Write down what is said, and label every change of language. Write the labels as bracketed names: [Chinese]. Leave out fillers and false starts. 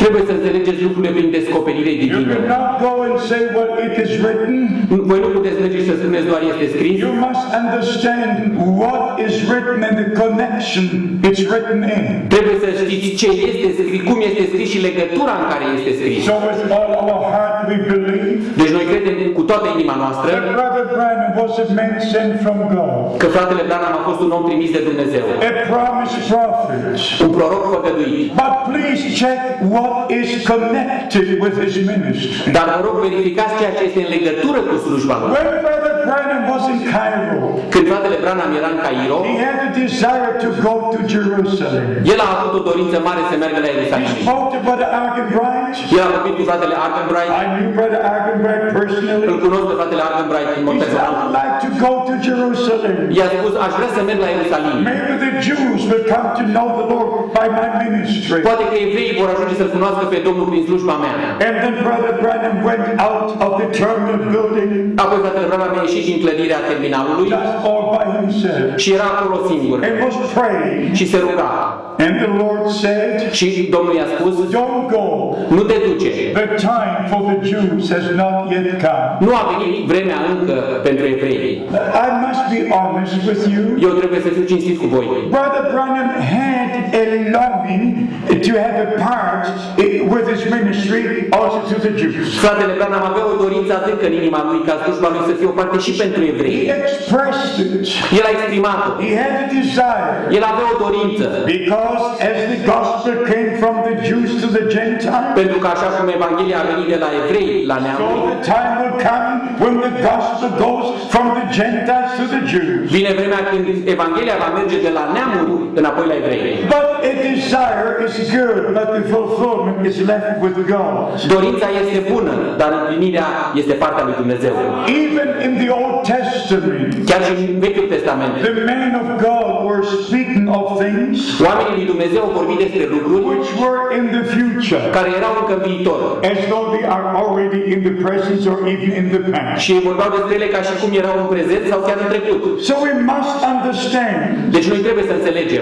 [Romanian] Trebuie să înțelegeți lucrurile prin descoperire divină. [English] You cannot go and say what it is written. [Romanian] Voi nu puteți merge și să spuneți doar este scris. [English] You must understand what is written and the connection it's written in. [Romanian] Trebuie să știți ce este scris, cum este scris și legătura în care este scris. [English] So with all our heart we believe. [Romanian] Deci noi credem cu toată inima noastră. [English] That Brother Branham was a man sent from God. [Romanian] Că fratele Branham a fost un om trimis de Dumnezeu. [English] A promised prophet. [Romanian] Un proroc făgăduit. [English] But please check what is connected with his ministry. [Romanian] Dar vă rog verificați ceea ce este în legătură cu slujba lui. [English] When Brother Branham was in Cairo. [Romanian] Când fratele Branham era în Cairo. [English] He had a desire to go to Jerusalem. [Romanian] El a avut o dorință mare să meargă la Ierusalim. [English] He spoke to Brother Argenbright. [Romanian] El a vorbit cu fratele Argenbright. [English] I knew Brother Argenbright personally. [Romanian] Îl cunosc pe fratele Argenbright în mod personal. [English] He said, I'd like to go to Jerusalem. [Romanian] I-a spus, aș vrea să merg la Ierusalim. [English] Maybe the Jews will come to know the Lord by my ministry. [Romanian] Poate că evreii vor ajunge să-L cunoască pe Domnul prin slujba mea. [English] And then Brother Branham went out of the terminal building. [Romanian] Apoi fratele Branham a ieșit din clădirea terminalului. [English] All by himself. [Romanian] Și era acolo singur. [English] And was praying. [Romanian] Și se ruga. [English] And the Lord said, [Romanian] și Domnul i-a spus, [English] don't go. [Romanian] Nu te duce. [English] The time for the Jews has not yet come. [Romanian] Nu a venit vremea încă pentru evrei. [English] I must be honest with you. [Romanian] Eu trebuie să fiu cinstit cu voi. [English] Brother Branham had a longing to have a part with his ministry also to the Jews. [Romanian] Fratele Branham avea o dorință adâncă în inima lui ca slujba lui să fie o parte și pentru evrei. [English] He expressed it. [Romanian] El a exprimat-o. [English] He had a desire. [Romanian] El avea o dorință. [English] Because as the gospel came from the Jews to the Gentiles, [Romanian] pentru că așa cum Evanghelia a venit de la evrei la neamuri, [English] so the time will come when the gospel goes from the Gentiles to the Jews. [Romanian] Vine vremea când Evanghelia va merge de la neamuri înapoi la evrei. [English] But a desire is good, but the fulfillment is left with God. [Romanian] Dorința este bună, dar împlinirea este partea lui Dumnezeu. [English] Even in the Old Testament, [Romanian] chiar și în Vechiul Testament, [English] the men of God were speaking of things. [Romanian] Oamenii lui Dumnezeu vorbit despre lucruri [English] which were in the future, [Romanian] care erau încă în viitor. [English] As though they are already in the present or even in the past. [Romanian] Și vorbeau despre ele ca și cum erau în prezent sau chiar în trecut. [English] So we must understand. [Romanian] Deci noi trebuie să înțelegem.